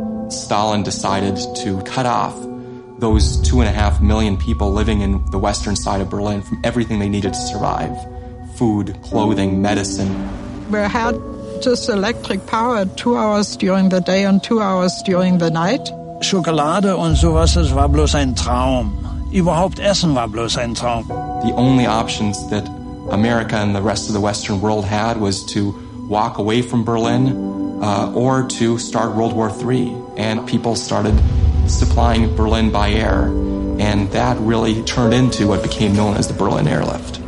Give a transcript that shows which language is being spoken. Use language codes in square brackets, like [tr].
[en] Stalin decided to cut off those 2.5 million people living in the western side of Berlin from everything they needed to survive. Food, clothing, medicine. We had just electric power 2 hours during the day and 2 hours during the night. [de] Schokolade und sowas, das war bloß ein Traum. Überhaupt Essen war bloß ein Traum. [en] The only options that America and the rest of the Western world had was to walk away from Berlin or to start World War III. And people started supplying Berlin by air. And that really turned into what became known as the Berlin Airlift.